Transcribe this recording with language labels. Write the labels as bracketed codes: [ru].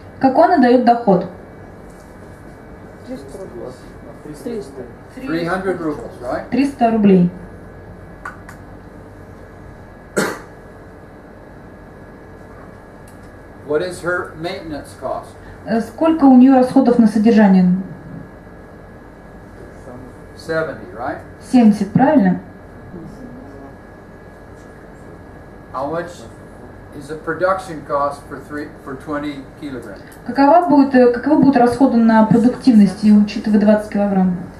[ru] Какой она дает доход? 300 рублей, [en] right? [ru] 300 рублей. [en] What is her maintenance cost? [ru] Сколько у нее расходов на содержание? [en] 70, right? [ru] 70, правильно? [en] How much is the production cost for 20 kilograms? [ru] Каковы будут расходы на продуктивность, учитывая 20 килограмм?